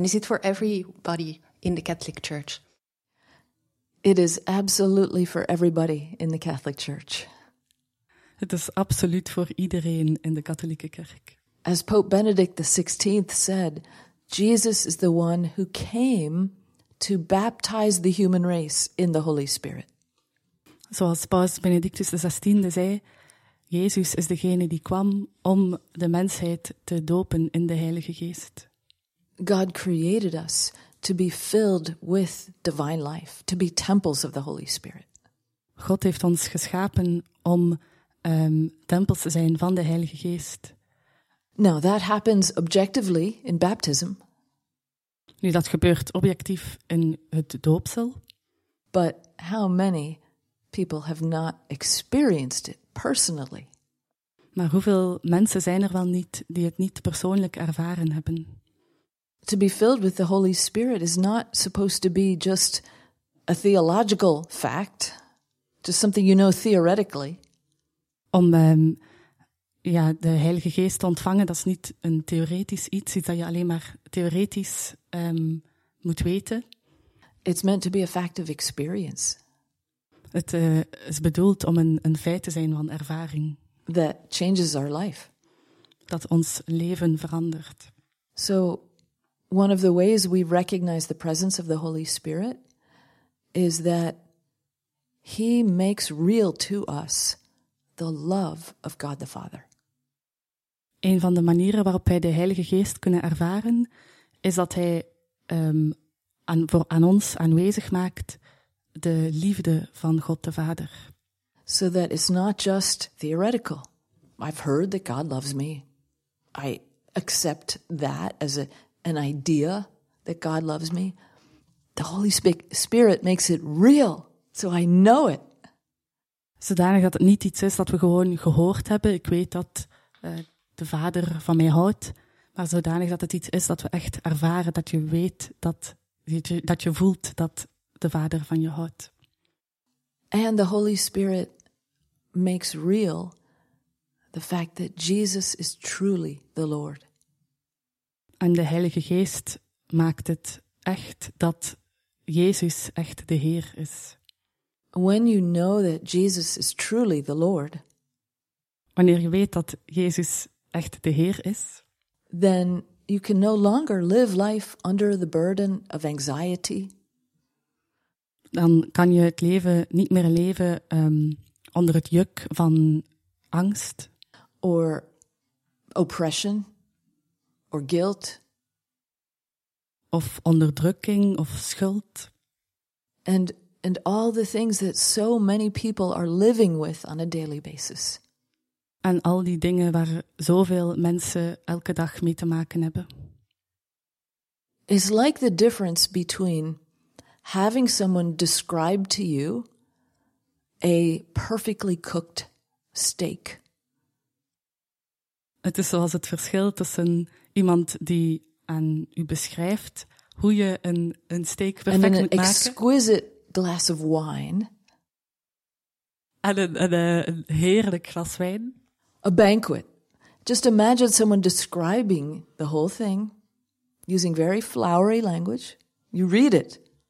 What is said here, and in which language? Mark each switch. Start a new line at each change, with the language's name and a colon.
English: And is it for everybody in the Catholic Church? It is absolutely for everybody in the Catholic Church.
Dutch: Het is absoluut voor iedereen in de katholieke kerk.
English: As Pope Benedict XVI said, Jesus is the one who came to baptize the human race in the Holy Spirit.
Dutch: Zoals Paus Benedictus XVI zei, Jezus is degene die kwam om de mensheid te dopen in de Heilige Geest.
English: God created us to be filled with divine life, to be temples of the Holy Spirit.
Dutch: God heeft ons geschapen om tempels te zijn van de Heilige Geest.
English: Now that happens objectively in baptism.
Dutch: Nu dat gebeurt objectief in het doopsel.
English: But how many people have not experienced it personally?
Dutch: Maar hoeveel mensen zijn er wel niet die het niet persoonlijk ervaren hebben?
English: To be filled with the Holy Spirit is not supposed to be just a theological fact, just something you know theoretically.
Dutch: Om de Heilige Geest te ontvangen, dat is niet een theoretisch iets dat je alleen maar theoretisch moet weten.
English: It's meant to be a fact of experience.
Dutch: Het is bedoeld om een feit te zijn van ervaring.
English: That changes our life.
Dutch: Dat ons leven verandert.
English: So, one of the ways we recognize the presence of the Holy Spirit is that he makes real to us the love of God the Father.
Dutch: Een van de manieren waarop wij de Heilige Geest kunnen ervaren, is dat hij aan ons aanwezig maakt de liefde van God de Vader.
English: So that it's not just theoretical. I've heard that God loves me. I accept that as an idea that God loves me. The Holy Spirit makes it real, so I know it.
Dutch: Zodanig dat het niet iets is dat we gewoon gehoord hebben. Ik weet dat de Vader van mij houdt. Maar zodanig dat het iets is dat we echt ervaren, dat je weet, dat je voelt dat de Vader van je houdt.
English: And the Holy Spirit makes real the fact that Jesus is truly the Lord.
Dutch: En de Heilige Geest maakt het echt dat Jezus echt de Heer is.
English: When you know that Jesus is truly the Lord,
Dutch: wanneer je weet dat Jezus echt de Heer is,
English: then you can no longer live life under the burden of anxiety.
Dutch: Dan kan je het leven niet meer leven onder het juk van angst.
English: Or oppression. Or guilt.
Dutch: Of onderdrukking of schuld.
English: and all the things that so many people are living with on a daily basis.
Dutch: En al die dingen waar zoveel mensen elke dag mee te maken hebben.
English: It's like the difference between having someone describe to you a perfectly cooked steak.
Dutch: Het is zoals het verschil tussen iemand die aan u beschrijft hoe je een steak perfect moet maken.
English: And an exquisite glass of wine.
Dutch: En een heerlijk glas wijn.
English: A banquet. Just imagine someone describing the whole thing using very flowery language. You read it.